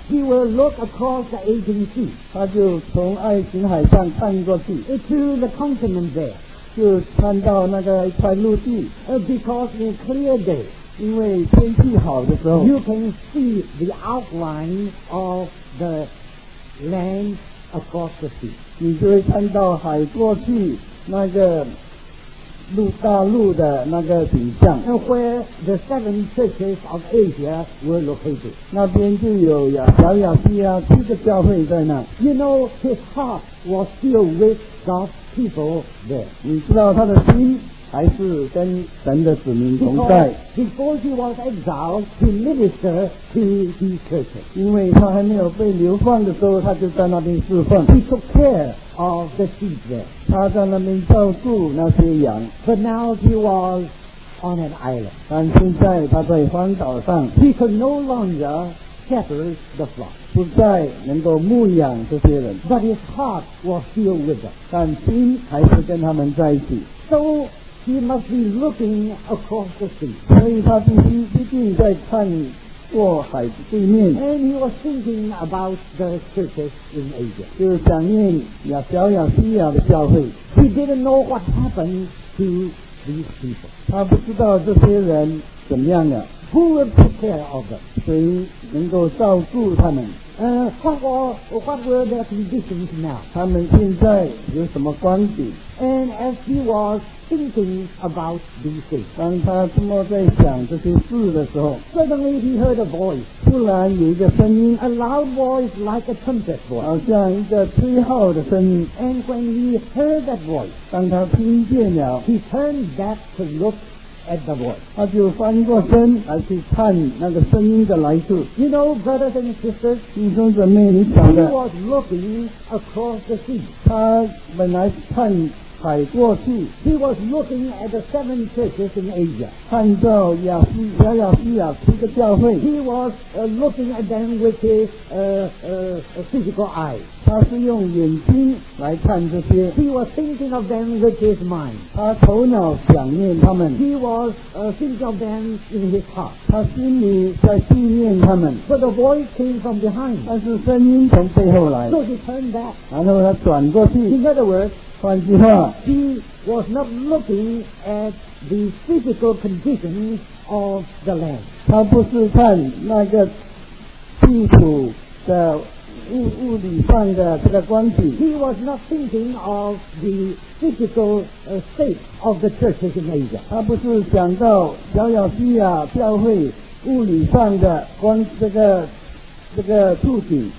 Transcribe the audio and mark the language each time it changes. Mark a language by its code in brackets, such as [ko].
[en] He will look across the Aegean Sea [zh] 他就从爱琴海上看过去 [en] To the continent there [zh] 就看到那个一块陆地 [en] Because in clear day [zh] 因为天气好的时候 [en] You can see the outline of the land across the sea [zh] 你就会看到海过去那个陆大陆的那个景象 [en] and where the seven churches of Asia were located [zh] 那边就有小亚细亚七个教会在那 [en] you know his heart was still with God's people there [zh] 你知道他的心还是跟神的子民同在 [en] because before he was exiled he ministered to his churches [zh] 因为他还没有被流放的时候他就在那边侍奉 [en] he took care of the sheep there [zh] 他在那边照顾那些羊 [en] but now he was on an island [zh] 但现在他在荒岛上 [en] he could no longer shepherd the flock [zh] 不再能够牧养这些人 [en] but his heart was still with them [zh] 但心还是跟他们在一起 [en] soHe must be looking across the sea. [zh] 所以他必定在看过海对面。 [en] And he was thinking about the churches in Asia. [zh] 就是想念小亚细亚的教会。 [en] He didn't know what happened to these people. [zh] 他不知道这些人怎么样了。 [en] Who will take care of them? [zh] 谁能够照顾他们？ [en] What were their conditions now? [zh] 他们现在有什么光景 [en] And as he was thinking about these things, [zh] 当他这么在想这些事的时候 [en] Suddenly he heard a voice, [zh] 突然有一个声音 [en] A loud voice like a trumpet voice, [zh] 好像一个吹号的声音 [en] And when he heard that voice, [zh] 当他听见了 [en] He turned back to look at the voice. [zh] 他就翻过身来去看那个声音的来处。 [en] You know, brothers and sisters, [zh] 弟兄姊妹，你晓得。 [en] He was looking across the sea. [zh] 他本来看海过去。 [en] He was looking at the seven churches in Asia. [zh] 看到亚细亚七个教会。 [en] He was looking at them with his physical eye. [zh] 他是用眼睛来看这些。 [en] He was thinking of them with his mind. [zh] 他头脑想念他们。 [en] He was thinking of them in his heart. [zh] 他心里在纪念他们。 [en] But the voice came from behind. [zh] 但是声音从背后来。 [en] So he turned back. [zh] 然后他转过去。 [en] In other words, [zh] 换句话 [en] He was not looking at the physical conditions of the land. [zh] 他不是看那个地土的物理上的这个光景 [en] He was not thinking of the physical state of the churches in Asia. [zh] 他不是想到小亚细亚教会物理上的光这个处境